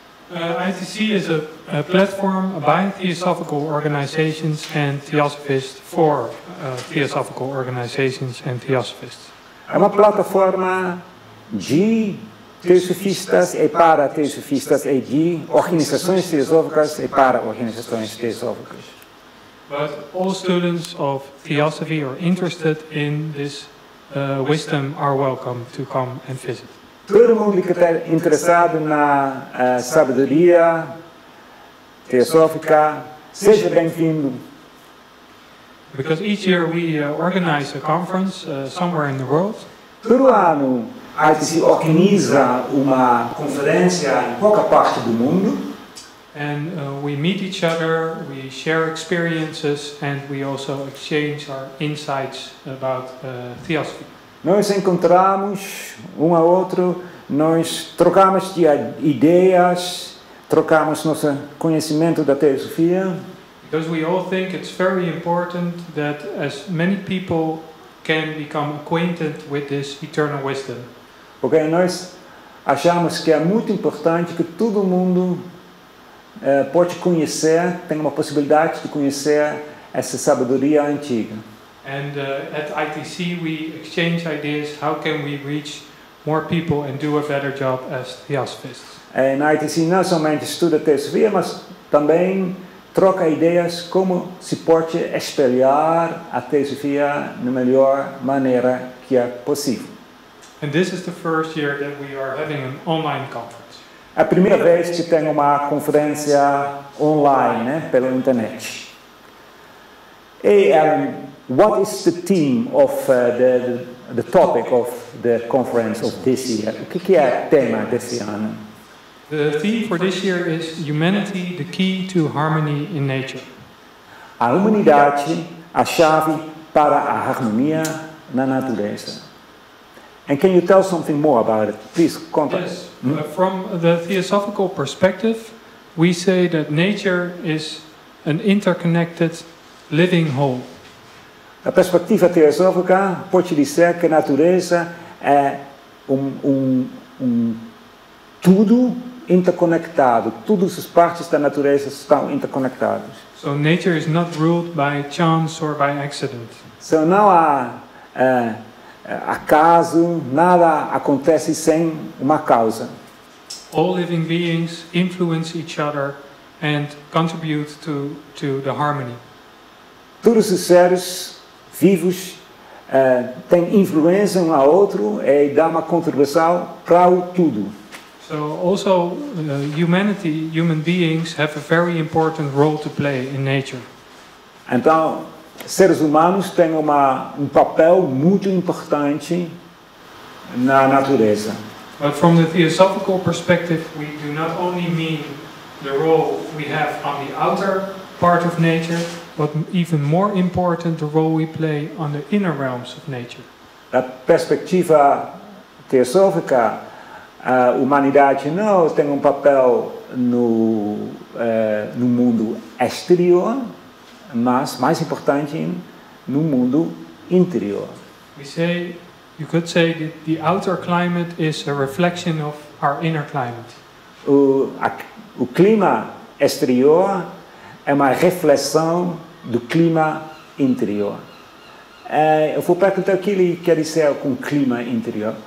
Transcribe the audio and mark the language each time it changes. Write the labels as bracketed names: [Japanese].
[English] ITC is a platform by theosophical organizations and theosophists for theosophical organizations and theosophists. [Portuguese] É uma plataforma de teosofistas e para teosofistas e de organizações teosóficas e para organizações teosóficas. [English] But all students of theosophy are interested in this wisdom are welcome to come and visit. [Portuguese] Todo mundo que está interessado na sabedoria teosófica, seja bem-vindo. [English] Because each year we organize a conference somewhere in the world. [Portuguese] Todo ano a ITC organiza uma conferência em qualquer parte do mundo. [English] And we meet each other, we share experiences, and we also exchange our insights about theosophy. [Portuguese] Nós encontramos um ao outro, nós trocamos de ideias, trocamos nosso conhecimento da teosofia. [English] Because we all think it's very important that as many people can become acquainted with this eternal wisdom. [Portuguese] Porque nós achamos que é muito importante que todo mundo pode conhecer, tenha uma possibilidade de conhecer essa sabedoria antiga. [English] And at ITC we exchange ideas how can we reach more people and do a better job as theosophists. [Portuguese] En ITC não somente estuda teosofia, mas também troca ideias como se pode espelhar a teosofia na melhor maneira que é possível. [English] And this is the first year that we are having an online conference. [Portuguese] A primeira vez que tem uma conferência online, né, pela internet. [English] Hey, what is the theme of the topic of the conference of this year? [Portuguese] O que é o tema desse ano? [English] The theme for this year is humanity, the key to harmony in nature. [Portuguese] A humanidade, a chave para a harmonia na natureza. [English] And can you tell something more about it? Please, contact. Yes, from the theosophical perspective, we say that nature is an interconnected living whole. [Portuguese] A perspectiva teosófica pode dizer que a natureza é um tudo interconectado. Todas as partes da natureza estão interconectadas. [English] So nature is not ruled by chance or by accident. [Portuguese] So não há acaso, nada acontece sem uma causa. [English] All living beings influence each other and contribute to the harmony. [Portuguese] Todos os seres vivos têm influência um ao outro e dá uma contribuição para o tudo. [English] So also humanity, human beings have a very important role to play in nature. [Portuguese] Então, seres humanos têm um papel muito importante na natureza. [English] But from the theosophical perspective, we do not only mean the role we have on the outer part of nature, but even more important the role we play on the inner realms of nature. [Portuguese] Da perspectiva teosófica, a humanidade não tem papel no mundo exterior, mas mais importante no mundo interior. [English] We say, you could say that the outer climate is a reflection of our inner climate. [Portuguese] O clima exterior é uma reflexão do clima interior. Eu vou perguntar o que ele quer dizer com clima interior.